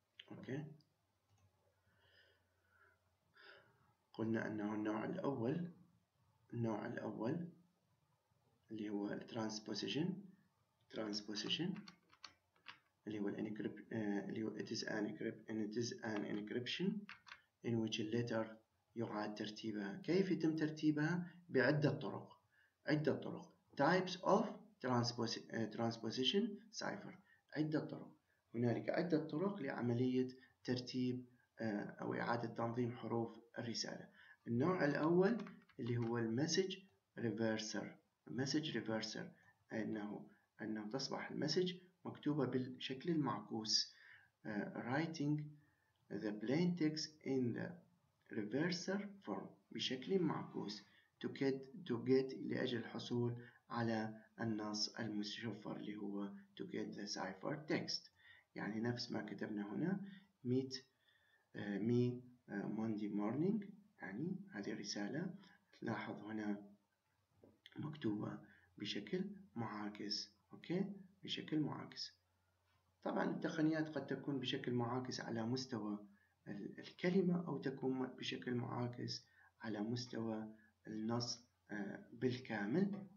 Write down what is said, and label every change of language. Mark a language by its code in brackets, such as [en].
[ar] أوكي، قلنا أنه النوع الأول اللي هو الترانسبوزيشن اللي هو [en] it is an encrypt and it is an encryption in which a letter [ar] يعاد ترتيبها. كيف يتم ترتيبها؟ بعدة طرق. عدة طرق. [en] types of transposition cipher. [ar] عدة طرق. هنالك عدة طرق لعملية ترتيب أو إعادة تنظيم حروف الرسالة. النوع الأول اللي هو المسج ريفرسر. المسج ريفرسر أنه تصبح المسج مكتوبة بالشكل المعكوس. [en] Writing the plain text in the reverser form [ar] بشكل معكوس [en] to get [ar] لأجل الحصول على النص المشفر اللي هو [en] to get the cipher text. [ar] يعني نفس ما كتبنا هنا [en] meet me Monday morning. [ar] يعني هذه الرسالة تلاحظ هنا مكتوبة بشكل معاكس. أوكي؟ بشكل معاكس. طبعا التقنيات قد تكون بشكل معاكس على مستوى الكلمة أو تكون بشكل معاكس على مستوى النص بالكامل.